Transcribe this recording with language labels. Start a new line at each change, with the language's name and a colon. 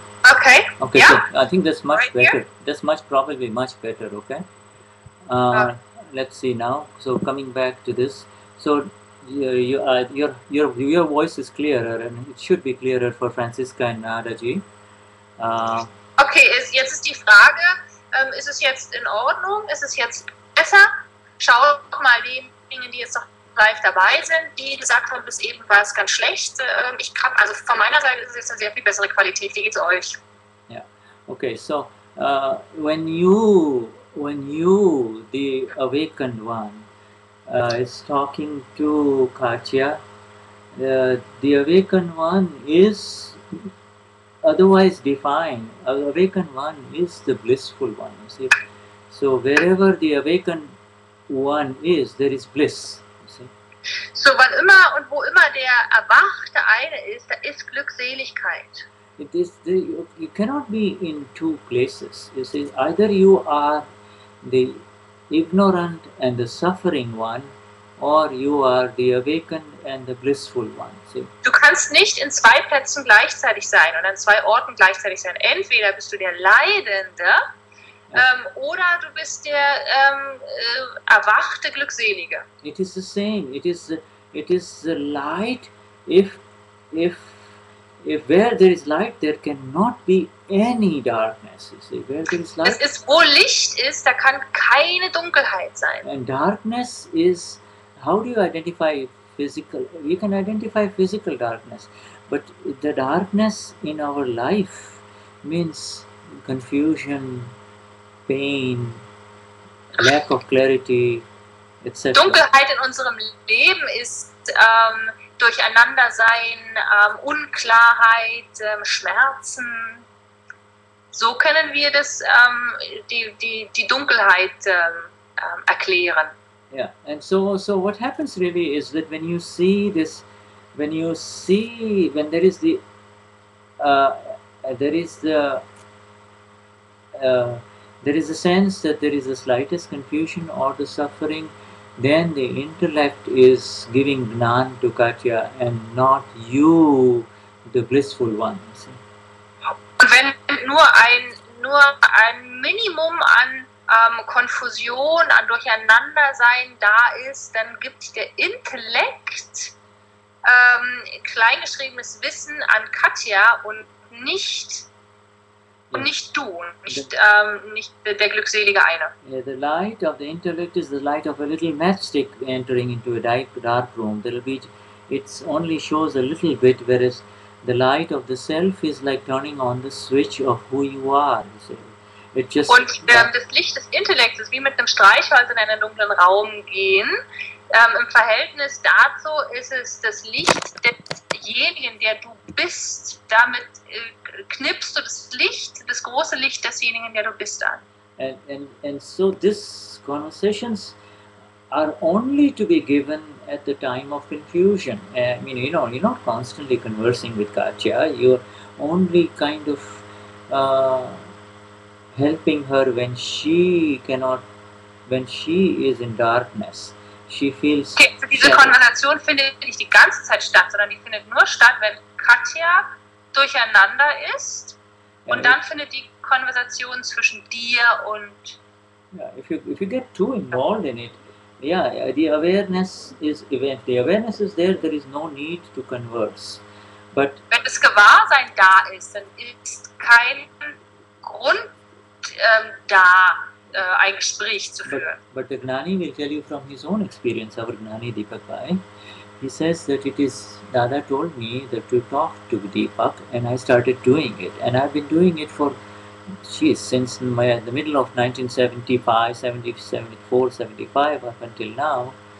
English: Okay. Okay, yeah. So I think that's much right better. Here? That's much probably much better, okay? Let's see now. So coming back to this. So your voice is clearer, and it should be clearer for Franziska and Nadaji.
German: Okay, jetzt ist die Frage, ist es jetzt in Ordnung? Ist es jetzt besser? Schau mal die Dinge, die jetzt noch live dabei sind, die gesagt haben, bis eben war es ganz schlecht. Ich kann, also von meiner Seite ist es jetzt eine sehr viel bessere Qualität. Wie geht's euch? Ja, okay.
English: So, when you, the awakened one, is talking to Katja, the awakened one is otherwise defined. Awakened one is the blissful one. You see, so wherever the awakened one is, there is bliss.
German: So, wann immer und wo immer der erwachte eine ist, da ist Glückseligkeit.
English: It is the, you cannot be in two places. You see, either you are the ignorant and the suffering one, or you are the awakened and the blissful one. See?
German: Du kannst nicht in zwei Plätzen gleichzeitig sein oder an zwei Orten gleichzeitig sein. Entweder bist du der Leidende, oder du bist der erwachte Glückselige.
English: It is the same. It is the light. If where there is light, there cannot be any darkness. You see, where there is light.
German: Es ist, wo Licht ist, da kann keine Dunkelheit sein.
English: And darkness is, how do you identify physical? You can identify physical darkness, but the darkness in our life means confusion, pain, lack of clarity, etc.
German: Dunkelheit in unserem Leben ist Durcheinandersein, Unklarheit, Schmerzen. So können wir das die Dunkelheit erklären.
English: Yeah, and so what happens really is that when you see this, when there is the there is a sense that there is the slightest confusion or the suffering, then the intellect is giving Gnan to Katja and not you, the blissful one.
German: Und wenn nur ein Minimum an Konfusion, an Durcheinandersein da ist, dann gibt der Intellekt kleingeschriebenes Wissen an Katja und nicht. Und nicht du, nicht der glückselige eine.
English: Yeah, the light of the intellect is the light of a little matchstick entering into a dark room. There'll be, it only shows a little bit, whereas the light of the self is like turning on the switch of who you are. You see. It just,
German: und das Licht des Intellekts ist wie mit einem Streichholz in einen dunklen Raum gehen. Im Verhältnis dazu ist es das Licht desjenigen, der du bist, damit knippst du das Licht, das große Licht desjenigen, der du bist, an.
English: And so these conversations are only to be given at the time of confusion. I mean, you're not constantly conversing with Katja. You're only kind of helping her when she cannot, when she is in darkness. She feels.
German: Okay, so diese Konversation findet nicht die ganze Zeit statt, sondern die findet nur statt, wenn Katja durcheinander ist, und dann findet die Konversation zwischen dir und.
English: Yeah, if you get too involved in it, yeah, the awareness is, if the awareness is there, there is no need to converse. But
German: wenn das Gewahrsein da ist, dann ist kein Grund da, ein Gespräch zu führen.
English: But the Gnani will tell you from his own experience, our Gnani Deepak Bhai. He says that it is, Dada told me that to talk to Deepak, and I started doing it. And I've been doing it for, since the middle of 1975, 74, 75, up until now.